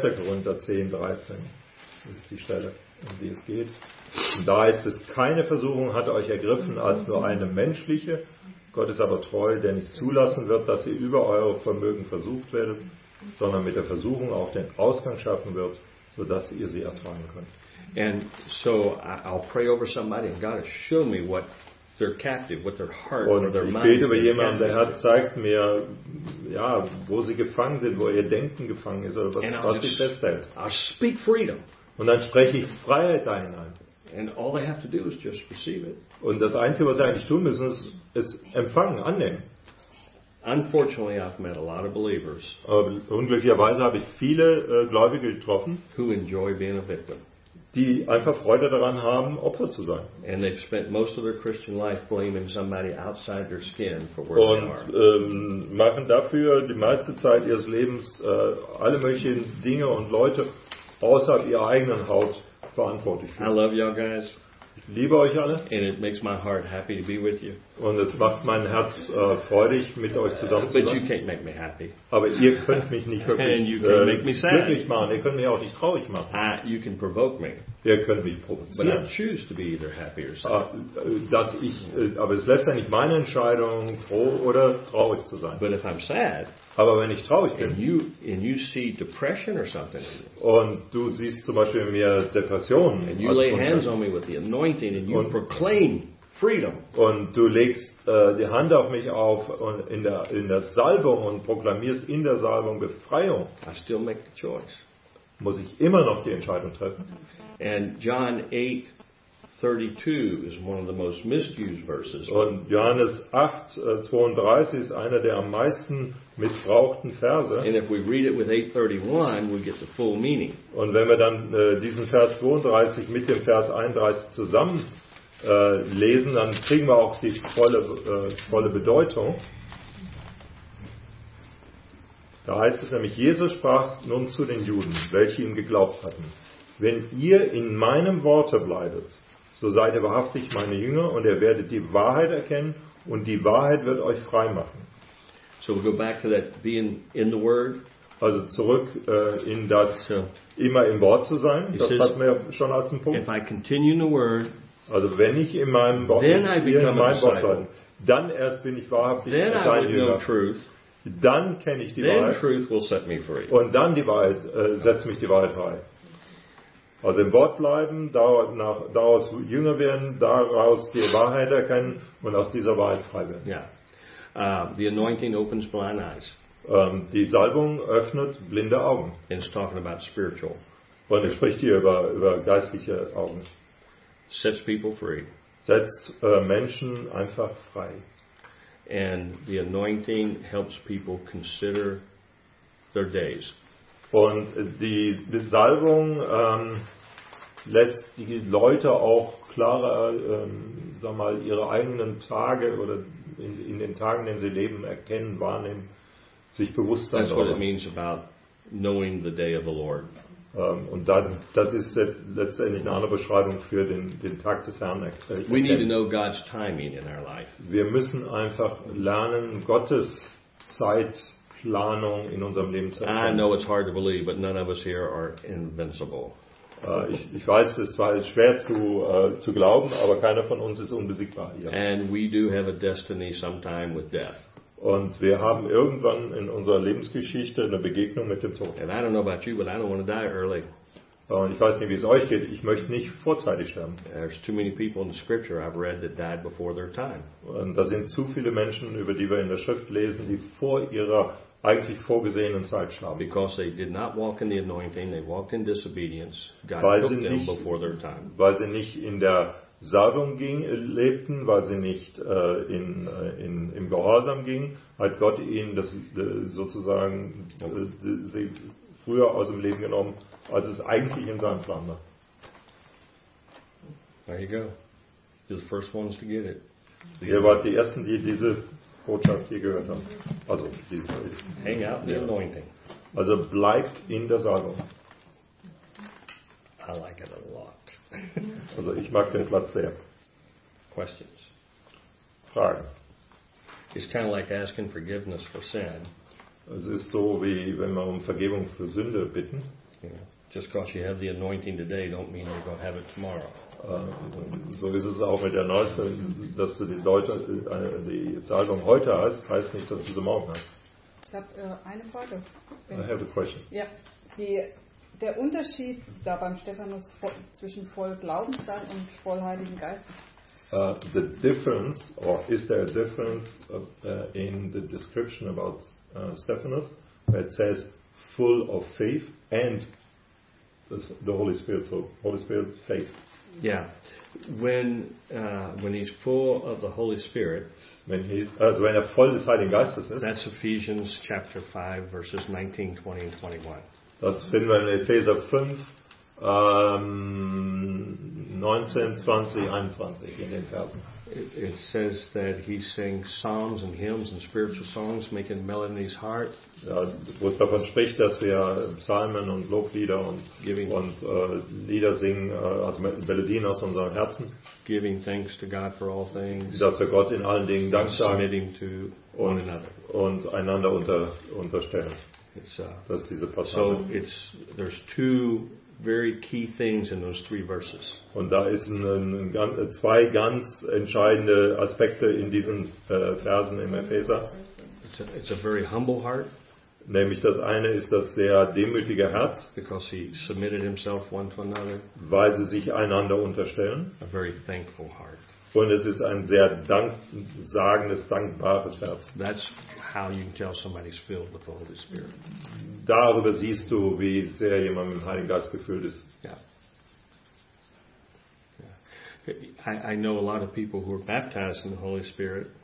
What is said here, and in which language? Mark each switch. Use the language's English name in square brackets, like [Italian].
[German] Korinther 10:13 ist die Stelle, um die es geht. Und da heißt es, keine Versuchung hat euch ergriffen als nur eine menschliche. Gott ist aber treu, der nicht zulassen wird, dass ihr über eure Vermögen versucht werdet, sondern mit der Versuchung auch den Ausgang schaffen wird, sodass ihr sie ertragen könnt. [English] And so I'll pray over somebody and God will show me what they're captive, what their heart or their mind. [German] Und ich bete über jemanden, der Herr zeigt mir, ja, wo sie gefangen sind, wo ihr Denken gefangen ist oder was sie festhält. [English] I speak freedom. [German] Und dann spreche ich Freiheit da hinein. [English] And all they have to do is just receive it. [German] Und das Einzige, was sie eigentlich tun müssen, ist es empfangen, annehmen. [English] Unfortunately, I've met a lot of believers. [German] Unglücklicherweise habe ich viele Gläubige getroffen, [English] who enjoy being a victim. [German] Die einfach Freude daran haben, Opfer zu sein. [English] And they've spent most of their Christian life blaming somebody outside their skin for where they are. [German] Und machen dafür die meiste Zeit ihres Lebens alle möglichen Dinge und Leute außerhalb ihrer eigenen Haut verantwortlich. [English] I love y'all guys. [German] Ich liebe euch alle. [English] And it makes my heart happy to be with you. [German] Und es macht mein Herz freudig, mit euch zusammen zu sein. [English] But you can't make me happy. [German] Aber ihr könnt mich nicht wirklich [English] and you can make me sad. [German] Glücklich machen. Ihr könnt mich auch nicht traurig machen. [English] You can provoke me. [German] Ihr könnt mich provozieren. [English] But I choose to be either happy or sad. [German] Aber es ist letztendlich meine Entscheidung, froh oder traurig zu sein. [English] But if I'm sad, [German] aber wenn ich traurig bin, [English] and you see depression or something, [German] und du siehst zum Beispiel in mir Depressionen, [English] and you lay hands on me with the anointing and you proclaim freedom. [German] Und du legst die Hand auf mich auf und in der Salbung und proklamierst in der Salbung Befreiung. [English] I still make the choice. [German] Muss ich immer noch die Entscheidung treffen. [English] And John 8:32 is one of the most misused verses. [German] Und Johannes 8:32 ist einer der am meisten missbrauchten Verse. [English] And if we read it with 8:31, we get the full meaning. [German] Und wenn wir dann diesen Vers 32 mit dem Vers 31 zusammen lesen, dann kriegen wir auch die volle Bedeutung. Da heißt es nämlich, Jesus sprach nun zu den Juden, welche ihm geglaubt hatten: Wenn ihr in meinem Worte bleibet, so seid ihr wahrhaftig meine Jünger und ihr werdet die Wahrheit erkennen und die Wahrheit wird euch frei machen. [English] So we go back to that being in the Word. [German] Also zurück in das immer im Wort zu sein, das hat mir schon als ein Punkt. [English] If I continue in the word, [German] also wenn ich in meinem Wort bleibe, dann erst bin ich wahrhaftig [English] then [German] sein Jünger. Dann kenne ich die [English] then [German] Wahrheit. [English] Truth will set me free. [German] Und dann die Wahrheit, setzt mich die Wahrheit frei. Also im Wort bleiben, daraus jünger werden, daraus die Wahrheit erkennen und aus dieser Wahrheit frei werden. [English] Yeah. The anointing opens blind eyes. [German] Die Salbung öffnet blinde Augen. [English] And it's talking about spiritual. [German] Und es spricht hier über geistliche Augen. [English] Sets people free. [German] Setzt Menschen einfach frei. [English] And the anointing helps people consider their days. [German] Und die Salbung lässt die Leute auch klarer, sag mal, ihre eigenen Tage oder in den Tagen, in denen sie leben, erkennen, wahrnehmen, sich bewusst sein. [English] That's what it means about knowing the day of the Lord. [German] Und das ist letztendlich eine andere Beschreibung für den Tag des Herrn. [English] We need to know God's timing in our life. [German] Wir müssen einfach lernen, Gottes Zeitplanung in unserem Leben zu erkennen. [English] I know it's hard to believe, but none of us here are invincible. [German] Ich weiß, es war schwer zu glauben, aber keiner von uns ist unbesiegbar hier. [English] And we do have a destiny sometime with death. [German] Und wir haben irgendwann in unserer Lebensgeschichte eine Begegnung mit dem Tod. [English] And I don't know about you, but I don't want to die early. [German] Und ich weiß nicht, wie es euch geht. Ich möchte nicht vorzeitig sterben. [English] There's too many people in the scripture I've read that died before their time. [German] Und da sind zu viele Menschen, über die wir in der Schrift lesen, die vor ihrer eigentlich vorgesehenen Zeit starben. [English] Because they did not walk in the anointing, they walked in disobedience. God took them before their time. [German] Weil sie nicht in der Salbung lebten, weil sie nicht im Gehorsam gingen, hat Gott ihnen das sozusagen sie früher aus dem Leben genommen, als es eigentlich in seinem Plan war. [English] There you go. You're the first ones to get it. [German] Ihr wart die Ersten, die diese Botschaft hier gehört haben. Also, diese, [English] hang out in the anointing. [German] Also bleibt in der Salbung. [English] I like it a lot. [German] Also ich mag den Platz sehr. [English] Questions. [German] Fragen. [English] It's kind of like asking forgiveness for sin. [German] Es ist so wie wenn wir um Vergebung für Sünde bitten. [English] Yeah. Just because you have the anointing today, don't mean you're going to have it tomorrow. [German] So ist es auch mit der Neuesten, dass du die Salbung heute hast, heißt nicht, dass du sie morgen hast. Ich habe eine Frage. [English] I have a question. [German] Ja. Der Unterschied da beim Stephanus zwischen voll Glaubenssein und voll Heiligen Geist? [English] The difference, or is there a difference in the description about Stephanus, where it says full of faith and the Holy Spirit, so Holy Spirit, faith. Yeah, when he's full of the Holy Spirit, when [German] er voll des Heiligen Geistes ist, [English] that's Ephesians chapter 5, verses 19, 20, and 21. [German] Das finden wir in Epheser 5, 19, 20, 21 in den Versen. [English] It says that he sings psalms and hymns and spiritual songs, making melody in his heart. [German] Ja, wo es davon spricht, dass wir Psalmen und Loblieder Lieder singen, also Melodien aus unserem Herzen. [English] Giving thanks to God for all things. [German] Dass wir Gott in allen Dingen Dank sagen. [English] Submitting to one another. [German] Und einander unterstellen. Das diese [English] so it's there's two very key things in those three verses. [German] Und da ist zwei ganz entscheidende Aspekte in diesen Versen im Epheser. [English] It's a very humble heart. [German] Nämlich das eine ist das sehr demütige Herz. [English] Because he submitted himself one to another. [German] Weil sie sich einander unterstellen. [English] A very thankful heart. [German] Und es ist ein sehr danksagendes, dankbares Herz. [English] That's how you can tell somebody's filled with the Holy Spirit. [German] Darüber siehst du, wie sehr jemand mit dem Heiligen Geist gefüllt ist. [English] Yeah. I know a lot of people who are baptized in the Holy Spirit.